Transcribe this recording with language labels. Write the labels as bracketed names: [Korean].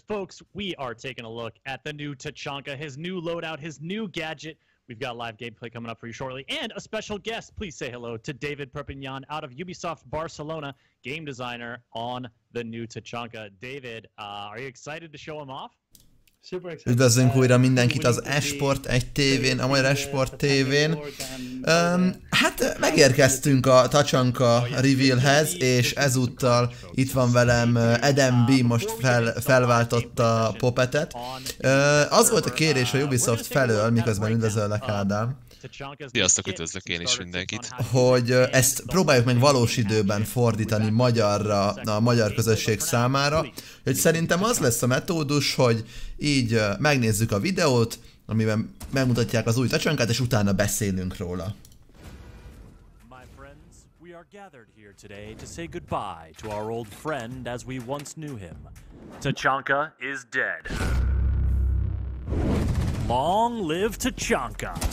[English] Folks, we are taking a look at the new Tachanka, his new loadout, his new gadget. We've got live gameplay coming up for you shortly. And a special guest, please say hello to David Perpignan out of Ubisoft Barcelona, game designer on the new Tachanka. David, are you excited to show him off? [Hungarian] Üdvözlünk újra mindenkit az Esport 1 TV-n, a Magyar Esport TV-n. Hát megérkeztünk a Tachanka reveal-hez, és ezúttal itt van velem Adam B., most felváltotta Popetet. Az volt a kérés a Ubisoft felől, miközben üdvözöllek, Ádám. Sziasztok, üdvözlök én is mindenkit. Hogy ezt próbáljuk meg valós időben fordítani magyarra, a magyar közösség számára, hogy szerintem az lesz a metódus, hogy így megnézzük a videót, amiben megmutatják az új Tachankát, és utána beszélünk róla. [English] My friends, we are gathered here today to say goodbye to our old friend as we once knew him. Tachanka is dead. Long live Tachanka!